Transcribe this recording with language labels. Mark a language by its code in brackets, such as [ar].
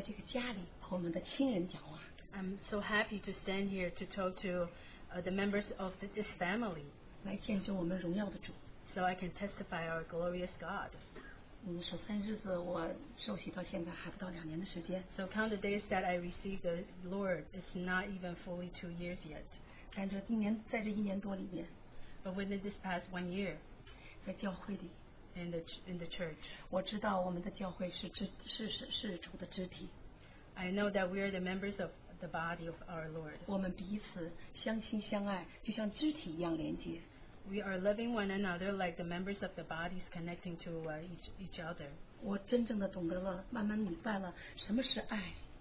[zh] 我非常非常的高兴站在这里，能在这个家里和我们的亲人讲话。 [en] I'm so happy to stand here to talk to the members of this family. [zh] 来见证我们荣耀的主。 [en] So I can testify our glorious God. [zh] 首先日子我受洗到现在还不到两年的时间。 [en] So count the days that I received the Lord, it's not even fully 2 years yet. [zh] 但这一年，在这一年多里面。 [en] But within this past 1 year, [zh] 在教会里。 [en] In the church. [zh] 我知道我们的教会是主的肢体。 [en] I know that we are the members of the body of our Lord. [zh] 我们彼此相亲相爱，就像肢体一样连接。 [en] We are loving one another like the members of the bodies connecting to each other. [zh] 我真正的懂得了，慢慢明白了什么是爱。